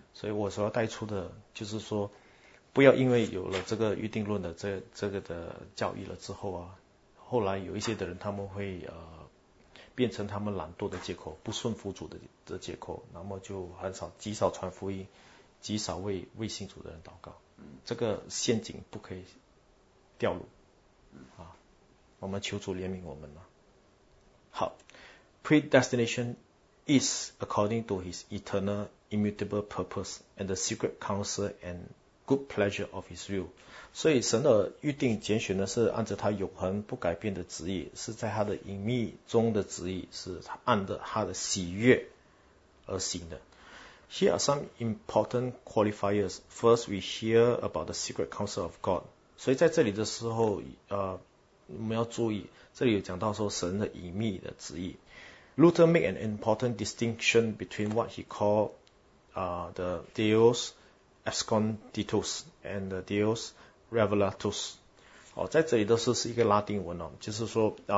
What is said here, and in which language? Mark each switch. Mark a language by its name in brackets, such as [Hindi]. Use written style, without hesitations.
[Chinese] 所以我所要带出的就是说，不要因为有了这个预定论的这个的教义了之后后来有一些的人他们会变成他们懒惰的借口，不顺服主的借口，那么就很少极少传福音，极少为信主的人祷告。这个陷阱不可以掉入我们求主怜悯我们好。 [English] Predestination is according to his eternal immutable purpose and the secret counsel andGood pleasure of his will. [Chinese] 所以神的预定拣选呢，是按照他永恒不改变的旨意，是在他的隐秘中的旨意，是他按照他的喜悦而行的。 [English] Here are some important qualifiers. First, we hear about the secret counsel of God. [Chinese] 所以在这里的时候我们要注意，这里有讲到说神的隐秘的旨意。 [English] Luther made an important distinction between what he called the Deus Absconditus and Deus Revelatus. [Chinese] 在这里都是一个拉丁文就是说